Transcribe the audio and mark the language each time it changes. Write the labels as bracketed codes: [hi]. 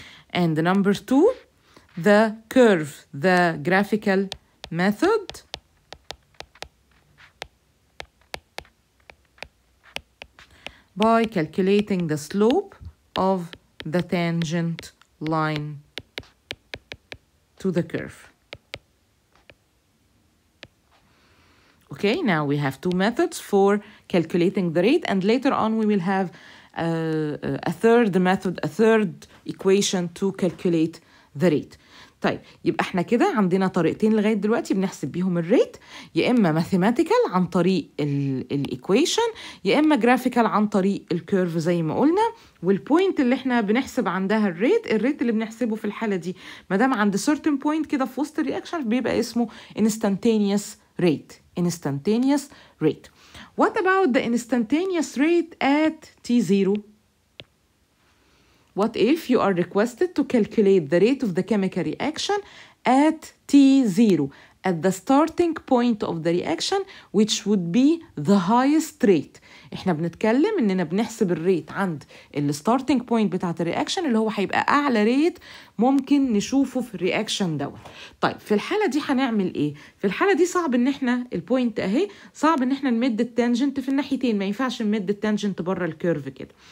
[en] And number two, the curve, the graphical method, by calculating the slope of the tangent line to the curve. Okay, now we have two methods for calculating the rate, and later on we will have a third method, a third equation to calculate the rate. [ar] طيب يبقى احنا كده عندنا طريقتين لغاية دلوقتي بنحسب بيهم الريت، يا إما mathematical عن طريق الـ equation، يا إما graphical عن طريق الكيرف زي ما قلنا. والبوينت اللي احنا بنحسب عندها الريت، الريت اللي بنحسبه في الحالة دي ما دام عند [en] certain point [ar] كده في وسط الرياكشن بيبقى اسمه [en] instantaneous rate. Instantaneous rate. What about the instantaneous rate at T0? What if you are requested to calculate the rate of the chemical reaction at T0, at the starting point of the reaction, which would be the highest rate? [ar] احنا بنتكلم اننا بنحسب الريت عند ال [en] starting point [ar] بتاعت الرياكشن اللي هو هيبقى اعلى ريت ممكن نشوفه في الرياكشن دوت. طيب في الحالة دي هنعمل ايه؟ في الحالة دي صعب ان احنا البوينت اهي، صعب ان احنا نمد التانجنت في الناحيتين، ما ينفعش نمد التانجنت بره الكيرف كده.